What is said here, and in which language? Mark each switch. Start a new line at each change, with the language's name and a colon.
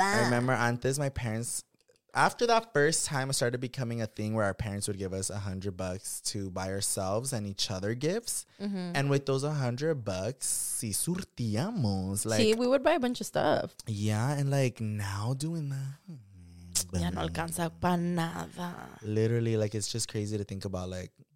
English: I remember antes, my parents... after that first time, it started becoming a thing where our parents would give us $100 to buy ourselves and each other gifts. Mm-hmm. And with those $100, si surtiamos. Like, see, we would buy a bunch of stuff. Yeah, and like now doing that.
Spanish: But ya no alcanza para nada.
English: Literally, like, it's just crazy to think about, like.